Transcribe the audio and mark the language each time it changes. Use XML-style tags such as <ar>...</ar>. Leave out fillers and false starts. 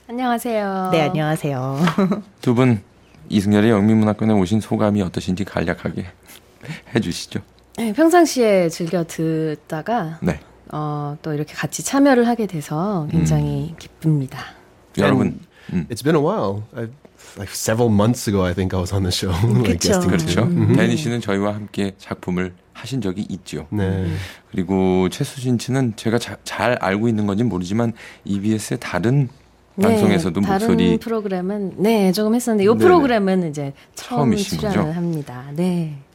<ko>안녕하세요. 네, 안녕하세요. 두 분 이승열의 영미문학관에 오신 소감이 어떠신지 간략하게 해주시죠. 네, 평상시에 즐겨 듣다가 네. 또 이렇게 같이 참여를 하게 돼서 굉장히 기쁩니다. 여러분,</ko> <en>It's been a while. Like several months ago, I think I was on the show.</en> <ko>그렇죠.</ko> <en>Like</en> <ko>그렇죠. 데니 씨는 저희와 함께 작품을 하신 적이 있죠. 네. 그리고 최수진 씨는 제가 잘 알고 있는 건지 모르지만 EBS의 다른 방송에서도 네, 목소리 다른 프로그램은 네 조금 했었는데 이 프로그램은 이제 처음 출연을 합니다. 네.</ko>